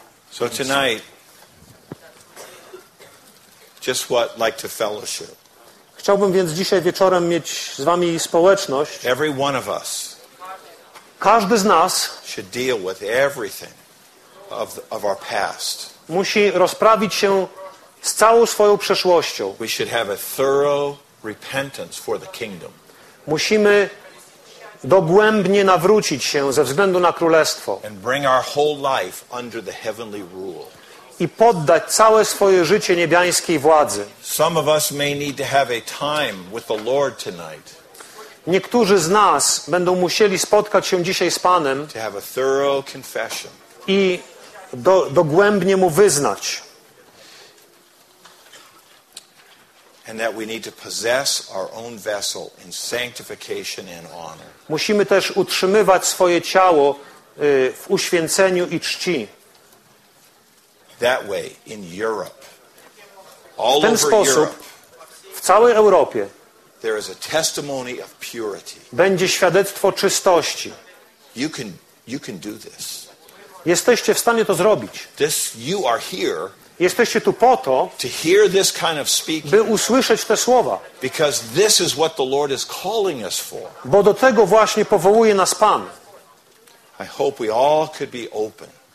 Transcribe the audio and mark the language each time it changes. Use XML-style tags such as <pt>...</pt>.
<en>So tonight, just what like to fellowship.</en> <pl>Chciałbym więc dzisiaj wieczorem mieć z wami społeczność.</pl> <en>Every one of us.</en> <pl>Każdy z nas</pl> <en>should deal with everything of our past.</en> <pl>Musi rozprawić się z całą swoją przeszłością.</pl> <en>We should have a thorough repentance for the kingdom.</en> <pl>Musimy dogłębnie nawrócić się ze względu na królestwo.</pl> <en>And bring our whole life under the heavenly rule.</en> <pl>I poddać całe swoje życie niebiańskiej władzy.</pl> <en>Some of us may need to have a time with the Lord tonight.</en> <pl>Niektórzy z nas będą musieli spotkać się dzisiaj z Panem</pl> <en>to have a thorough confession.</en> <pl>I dogłębnie Mu wyznać.</pl> <en>And that we need to possess our own vessel in sanctification and honor.</en> <pl>Musimy też utrzymywać swoje ciało w uświęceniu i czci.</pl> <en>That way, in Europe, all over Europe,</en> <pl>w całej Europie,</pl> <en>there is a testimony of purity.</en> <pl>Będzie świadectwo czystości.</pl> <en>You can do this.</en> <pl>Jesteście w stanie to zrobić.</pl> <en>This, you are here.</en> <pl>Jesteście tu po to,</pl> <en>to hear this kind of speaking,</en> <pl>by usłyszeć te słowa.</pl> <en>Because this is what the Lord is calling us for.</en> <pl>Bo do tego właśnie powołuje nas Pan.</pl> <en>I hope we all could be open.</en>